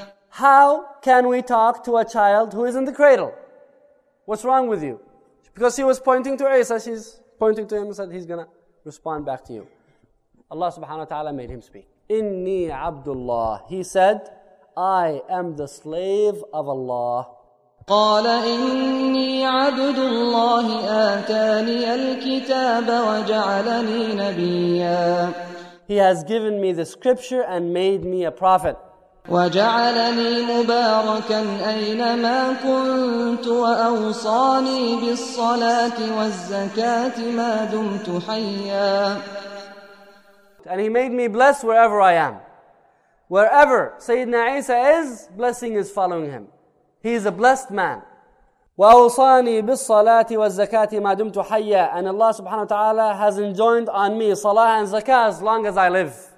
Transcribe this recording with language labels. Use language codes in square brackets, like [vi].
[en] How can we talk to a child who is in the cradle? What's wrong with you? Because she was pointing to Isa, she's pointing to him and said, he's gonna respond back to you. Allah subhanahu wa ta'ala made him speak. [ar] إِنِّي عَبْدُ اللَّهِ, [en] he said, I am the slave of Allah. [ar] قال إني عبد الله آتاني الكتاب وجعلني نبيا. [en] He has given me the scripture and made me a prophet. [ar] وجعلني مباركا أينما كنت وأوصاني بالصلاة والزكاة ما دمت حيا. [en] And he made me blessed wherever I am. Wherever Sayyidina Isa is, blessing is following him. He is a blessed man. [ar] وَأَوْصَانِي بِالصَّلَاةِ وَالزَّكَاةِ مَا دُمْتُ حَيَّا. [en] And Allah subhanahu wa ta'ala has enjoined on me salah and zakah as long as I live.